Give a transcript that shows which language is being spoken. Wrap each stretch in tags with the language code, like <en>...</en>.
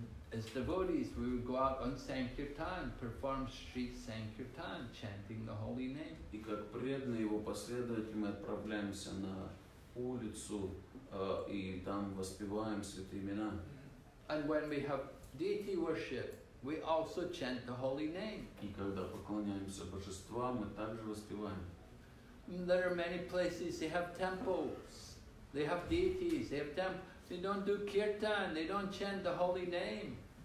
<en>As devotees, we would go out on Sankirtan, perform street Sankirtan, chanting the holy name.</en> <ru>И как преданные его последователи, мы отправляемся на улицу и там воспеваем святые имена.</ru> <en>And when we have deity worship, we also chant the holy name.</en> <ru>И когда поклоняемся божествам, мы также воспеваем.</ru> <en>There are many places they have temples, they have deities, they have temples. They don't do kirtan, they don't chant the holy name.</en>